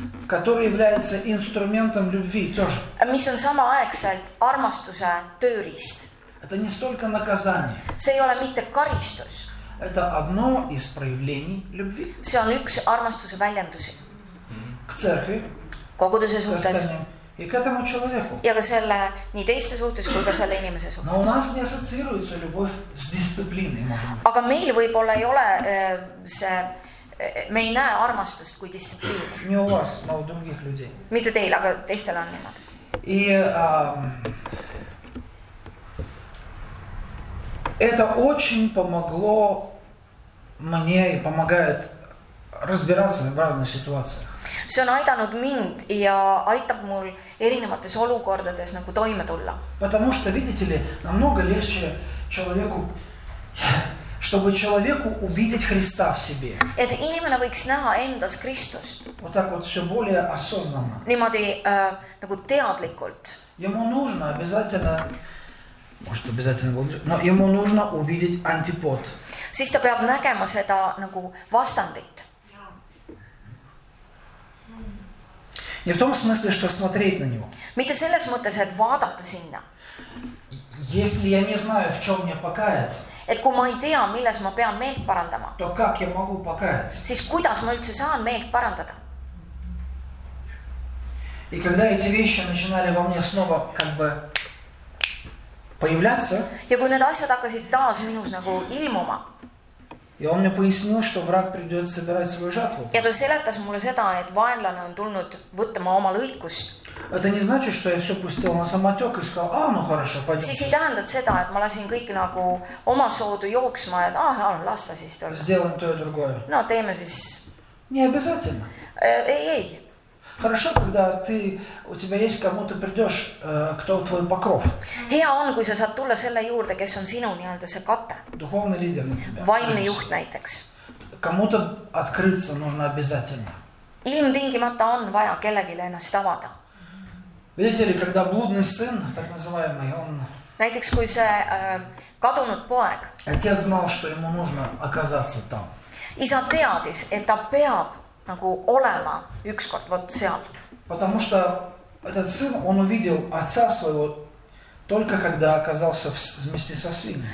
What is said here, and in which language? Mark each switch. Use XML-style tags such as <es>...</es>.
<ru>который является инструментом любви тоже.</ru> <et>Mis on sama aegselt armastuse tööriist.</et> <ru>Это не столько наказание.</ru> <et>See ei ole mitte karistus.</et> <ru>Это одно из проявлений любви.</ru> <et>See on üks armastuse väljendusi.</et> <ru>К церкви.</ru> <et>Koguduse suhtes.</et> <ru>И к этому человеку.</ru> <et>Ja ka selle nii teiste suhtes kui ka selle inimese suhtes.</et> <ru>Но у нас не ассоциируется любовь с дисциплиной.</ru> <et>Aga meil võib-olla ei ole see... Me ei näe armastust kui distsipliini.</et> <ru>Не у вас, но у других людей.</ru> <et>Mitte teil, aga teistel on niimoodi.</et> <ru>И это очень помогло мне и помогает разбираться в разных ситуациях.</ru> <et>See on aidanud mind ja aitab mul erinevates olukordades nagu toime tulla.</et> <ru>Потому что, видите ли, намного легче человеку... чтобы человеку увидеть Христа в себе. Это именно</ru> <et>võiks näha endas Kristust.</et> <ru>Вот так вот все более осознанно.</ru> <et>Niimoodi nagu teadlikult.</et> <ru>Ему нужно обязательно, может обязательно, но ему нужно увидеть антипод.</ru> <et>Siis ta peab nägema seda nagu vastandit.</et> <ru>Не в том смысле, что смотреть на него.</ru> <et>Mitte selles mõttes, et vaadata sinna.</et> <ru>Если я не знаю, в чем мне покаяться,</ru> <et>et kui ma ei tea, milles ma pean meelt parandama,</et> <ru>то как я могу покаяться?</ru> <et>Siis kuidas ma üldse saan meelt parandada?</et> <ru>И когда эти вещи начинали во мне снова как бы появляться,</ru> <et>ja kui need asjad hakkasid taas minus nagu ilmuma,</et> <ru>ja он мне пояснил, что враг придет собирать свою жатву,</ru> <et>ja ta seletas mulle seda, et vaenlane on tulnud võtma oma lõikust,</et> <ru>это не значит, что я все пустил на самотек и сказал, а, ну хорошо, пойдем.</ru> <et>Siis ei tähenda seda, et ma lasin kõik nagu oma soodu jooksma, et lasta siis tulla.</et> <ru>Сделаем то и другое.</ru> <et>No teeme siis.</et> <ru>Не обязательно.</ru> <et>Ei.</et> <ru>Хорошо, когда ты, у тебя есть кому-то придешь, кто твой покров.</ru> <et>Hea on, kui sa saad tulla selle juurde, kes on sinu nii-öelda see kate.</et> <ru>Духовный лидер.</ru> <et>Vaimne juht näiteks.</et> <ru>Кому-то открыться нужно обязательно.</ru> <et>Ilmtingimata on vaja kellegile ennast avada.</et> <ru>Видите ли, когда блудный сын, так называемый, он...</ru> <et>Näiteks, kui see kadunud poeg...</et> <ru>Отец знал, что ему нужно оказаться там.</ru> <et>Isa teadis, et ta peab nagu olema ükskord вот seal.</et> <ru>Потому что этот сын, он увидел отца своего только когда оказался вместе со свиньей.</ru>